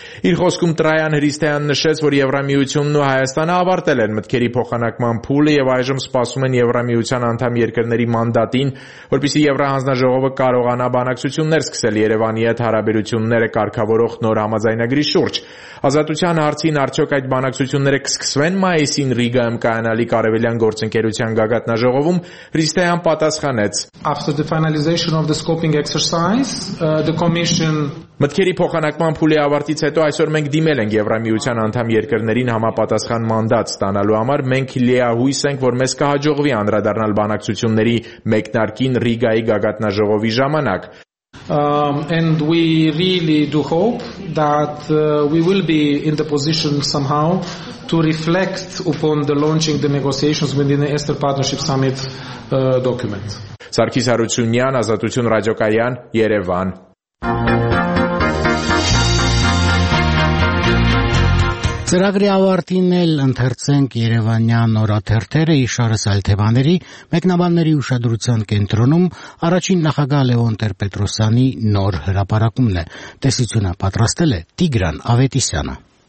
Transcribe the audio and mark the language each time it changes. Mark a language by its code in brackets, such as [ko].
[hy] Իր խոսքում Տրայան Հրիստեան նշեց, որ Եվրամիությունն ու Հայաստանը ավարտել են մտքերի փոխանակման փուլը և այժմ սպասում են Եվրամիության անդամ երկրների մանդատին, որպեսզի Եվրահանձնաժողովը կարողանա բանակցություններ սկսել Երևանի հետ հարաբերությունները կարգավորող նոր համաձայնագրի շուրջ։ Ազատության հարցին արդյոք այդ բանակցությունները կսկսվեն մայիսին Ռի Ռիգայում կայանալի Կարևելյան գործընկերության գագաթնաժողովում Հրիստայան պատասխանեց. [en] After the finalization of the scoping exercise, the commission [hy] Մտքերի փոխանակման փուլի ավարտից հետո այսօր մենք դիմել ենք Եվրամիության անդամ երկրներին համապատասխան մանդատ ստանալու համար։ Մենք լիահույս ենք, որ մեզ կհաջողվի անդրադառնալ բանակցությունների մեկնարկին Ռիգայի գագաթնաժողովի ժամանակ։ [en] And we really do hope that we will be in the position somehow to reflect upon the launching the negotiations within the Esther Partnership Summit document. [hy] Սարգիս Հարությունյան, Ազատություն ռադիոկայան, Երևան։ Ծրագրի ավարտին էլ ընթերցենք Երևանյան նորաթերթերը իշարս այլ թեմաների, մեկնաբանների ուշադրության կենտրոնում առաջին նախագահ Լևոն Տեր-Պետրոսյանի նոր հրապարակումն է, տեսությունը պատրաստել է Տիգրան Ավետիսյանը։